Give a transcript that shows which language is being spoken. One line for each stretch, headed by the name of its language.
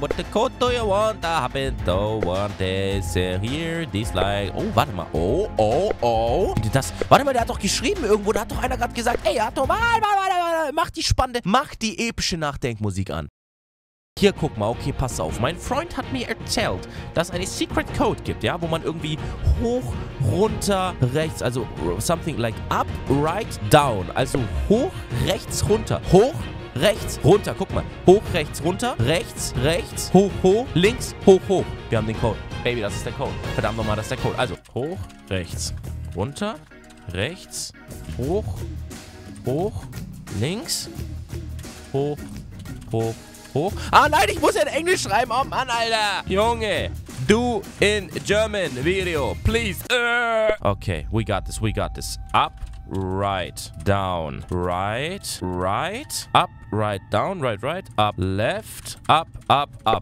English: What the code do you want? I happen to want this here.
German: Dislike. Oh, warte mal. Oh, oh, oh. Das, warte mal, der hat doch geschrieben irgendwo. Da hat doch einer gerade gesagt, ey, hat doch mal, mach die spannende, mach die epische Nachdenkmusik an. Hier, guck mal, okay, pass auf. Mein Freund hat mir erzählt, dass es eine Secret Code gibt, ja, wo man irgendwie hoch, runter, rechts, also
English: something like up, right, down.
German: Also hoch, rechts, runter. Hoch, rechts, runter, guck mal. Hoch, rechts, runter. Rechts, rechts, hoch, hoch, links, hoch, hoch. Wir haben den Code. Baby, das ist der Code. Verdammt nochmal, das ist der Code. Also hoch, rechts, runter, rechts, hoch, hoch, links, hoch, hoch, hoch. Ah nein, ich muss in Englisch schreiben. Oh Mann, Alter.
English: Junge, do in German video, please. Okay, we got this, we got this. Up, right, down, right, right, up, right, down, right, right, up, left, up, up, up.